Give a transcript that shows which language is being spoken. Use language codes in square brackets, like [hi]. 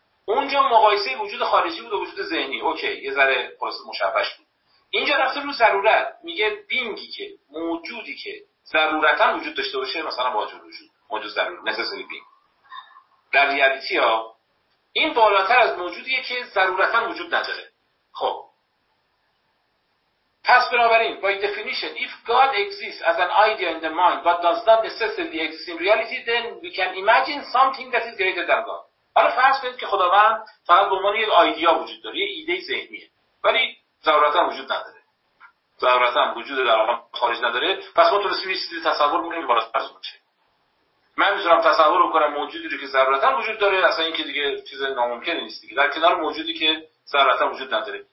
[fa] اونجا مقایسه وجود خارجی بود و وجود ذهنی، اوکی، یه ذره خلاص مشوش بود. اینجا رفته رو ضرورت، میگه بینگی که موجودی که ضرورتاً وجود داشته باشه، مثلا واجب وجود، موجود ضروری، نسسری بینگ. در ریالیتی ها این بالاتر از موجودیه که ضرورتاً وجود نداره. خب پس بنابراین [en] by definition if God exists as an idea in the mind but does not necessarily exist in reality then we can imagine something that is greater than God. [fa] حالا فرض کنید که خداوند فقط به عنوان یک ایده وجود داره، یک ایده ذهنیه، ولی ضرورتا وجود نداره، ضرورتا وجود در عالم خارج نداره، پس ما تونستیم یه چیزی تصور بکنیم بالاتر از اون چه. من میتونم تصور بکنم موجودی رو که ضرورتا وجود داره، اصلا اینکه دیگه چیز ناممکنی نیست دیگه، در کنار موجودی که ضرورتا وجود نداره.